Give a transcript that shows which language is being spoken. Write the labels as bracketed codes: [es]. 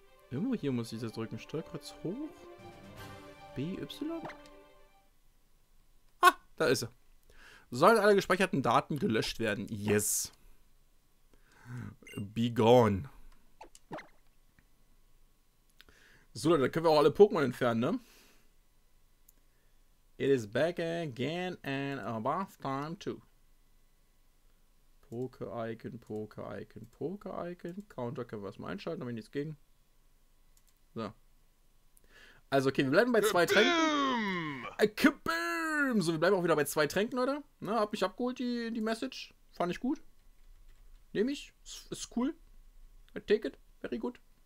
[de] Irgendwo hier muss ich das drücken. Steuerkreuz hoch. B, Y. Ah, da ist er. Sollen alle gespeicherten Daten gelöscht werden? [en] Yes. Be gone. [de] So, Leute, dann können wir auch alle Pokémon entfernen, ne? [en] It is back again and above time too. [de] Poke-Icon, Poke-Icon, Poke-Icon. Counter können wir erstmal einschalten, damit nichts gegen. So. Also, okay, wir bleiben bei zwei Tränken. Kaboom! So, wir bleiben auch wieder bei zwei Tränken, Leute. Na, hab mich abgeholt, die Message. Fand ich gut. Nehme ich. Ist cool. [en] I take it. Very good.